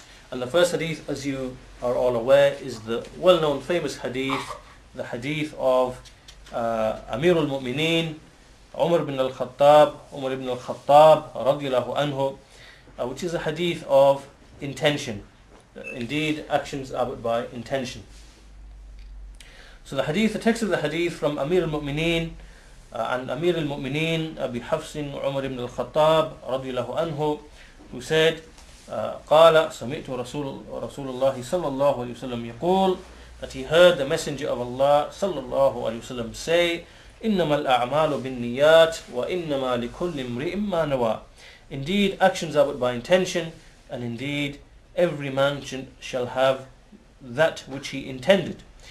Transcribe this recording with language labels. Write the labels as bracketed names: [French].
[English] And the first hadith, as you are all aware, is the well-known famous hadith, the hadith of أمير المؤمنين عمر بن الخطاب عمر بن الخطاب [Arabic] رضي الله عنه, [English] which is a hadith of intention. Indeed, actions are but by intention. So the hadith, the text of the hadith from [Arabic] أمير المؤمنين عن أمير المؤمنين أبي حفص عمر بن الخطاب رضي الله عنه, [English] who said, [Arabic] قال سمعت رسول الله صلى الله عليه وسلم يقول, [English] that he heard the Messenger of Allah sallallahu alayhi wa sallam say, [Arabic] إِنَّمَا الْأَعْمَالُ بِالنِّيَّاتِ وَإِنَّمَا لِكُلِّ امْرِئٍ مَّا نَوَىٰ. [English] Indeed, actions are but by intention, and indeed, every man shall have that which he intended.